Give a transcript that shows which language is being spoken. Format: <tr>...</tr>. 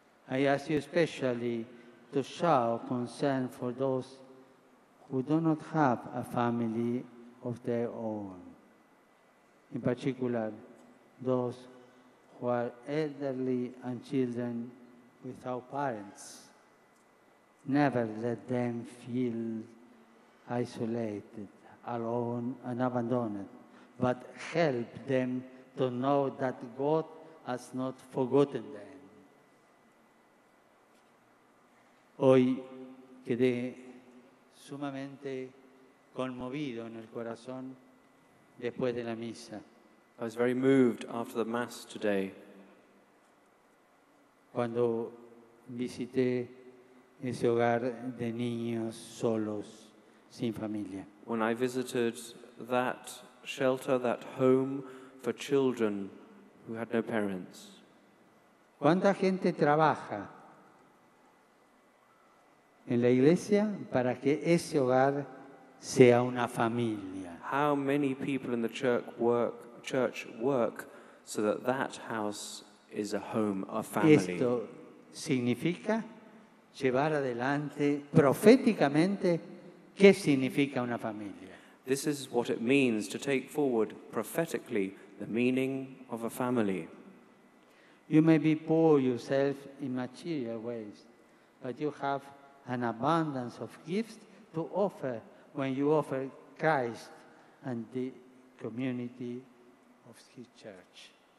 <en>I ask you especially to show concern for those who do not have a family of their own, in particular, those who are elderly and children without parents. Never let them feel isolated, alone, and abandoned, but help them to know that God has not forgotten them.</en> <es>Hoy quedé sumamente conmovido en el corazón después de la misa.</es> <en>I was very moved after the Mass today.</en> <es>Cuando visité ese hogar de niños solos, sin familia.</es> <en>When I visited that shelter, that home for children who had no parents.</en> <es>¿Cuánta gente trabaja en la iglesia para que ese hogar sea una familia?</es> <en>How many people in the church work so that that house is a home, a family?</en> <es>Esto significa llevar adelante proféticamente qué significa una familia.</es> <en>This is what it means to take forward prophetically the meaning of a family. You may be poor yourself in material ways, but you have an abundance of gifts to offer when you offer Christ and the community of his church.</en>